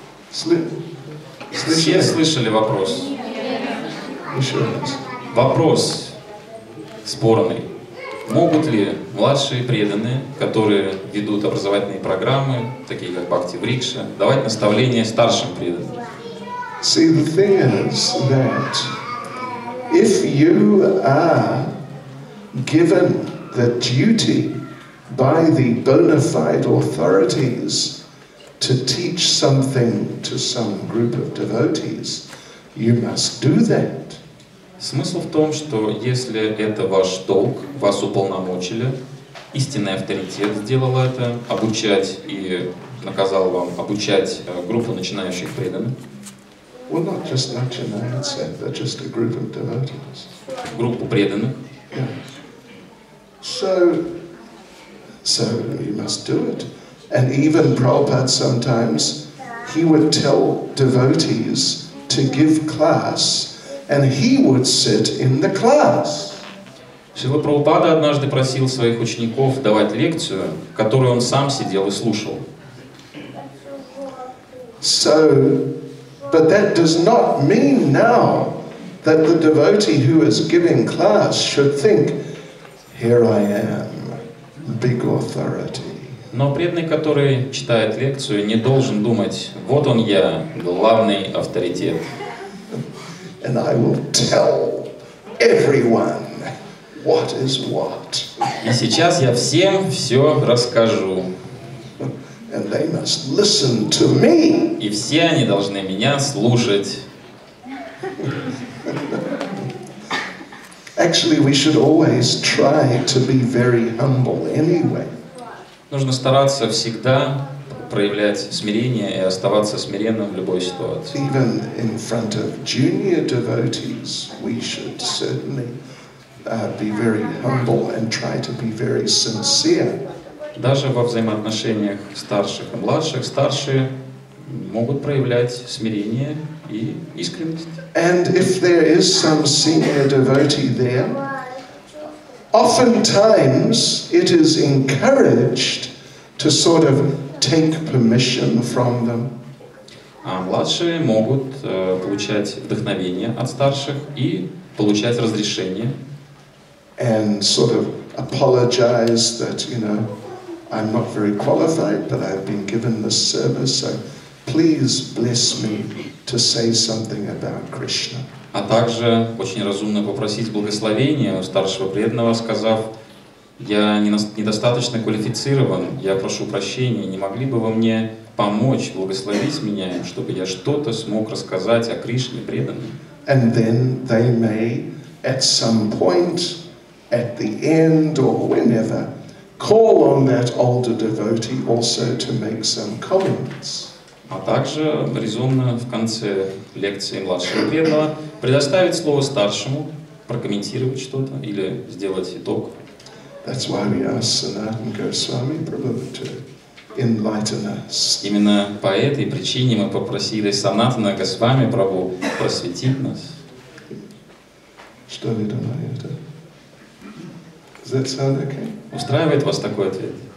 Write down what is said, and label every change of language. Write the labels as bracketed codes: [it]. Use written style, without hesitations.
[ru] Все слышали вопрос? Вопрос спорный. Могут ли младшие преданные, которые ведут образовательные программы, такие как Бхакти Врикша, давать наставления старшим преданным? [en] See, the thing is that if you are given the duty by the bona fide authorities to teach something to some group of devotees, you must do that. [ru] Смысл в том, что если это ваш долг, вас уполномочили, истинный авторитет сделал это, обучать и наказал вам обучать группу начинающих преданных. [en] Well, not just [ru] начинающих преданных, [en] but just a group of devotees. [ru] Группу преданных. [en] Yes. So you must do it. And even Prabhupada sometimes, he would tell devotees to give class, and he would sit in the class. [ru] Шрила Прабхупада однажды просил своих учеников давать лекцию, которую он сам сидел и слушал. [en] So, but that does not mean now that the devotee who is giving class should think, here I am, big authority. [ru] Но преданный, который читает лекцию, не должен думать, вот он я, главный авторитет. [en] And I will tell everyone what is what. [ru] И сейчас я всем все расскажу. [en] And they must listen to me. [ru] И все они должны меня слушать. [en] Actually, we should always try to be very humble anyway. [ru] Нужно стараться всегда проявлять смирение и оставаться смиренным в любой ситуации. [en] Even in front of junior devotees, we should certainly be very humble and try to be very sincere. [ru] Даже во взаимоотношениях старших и младших, старшие могут проявлять смирение и искренность. [en] And if there is some senior devotee there, oftentimes it is encouraged to sort of take permission from them. [ru] А младшие могут получать вдохновение от старших и получать разрешение. [en] And sort of apologize that, you know, I'm not very qualified, but I've been given this service, so please bless me to say something about Krishna. [ru] А также очень разумно попросить благословения у старшего преданного, сказав: я недостаточно квалифицирован, я прошу прощения, не могли бы вы мне помочь, благословить меня, чтобы я что-то смог рассказать о Кришне преданным? [en] And then they may at some point, at the end or whenever, call on that older devotee also to make some comments. [ru] А также резонно в конце лекции младшего преданного предоставить слово старшему, прокомментировать что-то или сделать итог. [en] That's why we ask Sanatan Goswami Prabhu to enlighten us. [ru] Именно по этой причине мы попросили Санатана Госвами Прабху просветить нас. Что вы думаете? [en] Does that sound okay? [ru] Устраивает вас такой ответ?